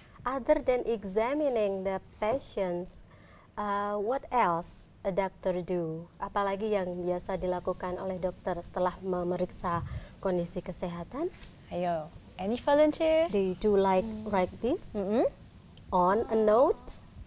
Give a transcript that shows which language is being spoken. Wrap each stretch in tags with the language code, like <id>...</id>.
<en>Other than examining the patients, what else a doctor do?</en> <id>Apalagi yang biasa dilakukan oleh dokter setelah memeriksa kondisi kesehatan? Ayo,</id> <en>any volunteer? They do like write this on a note.</en>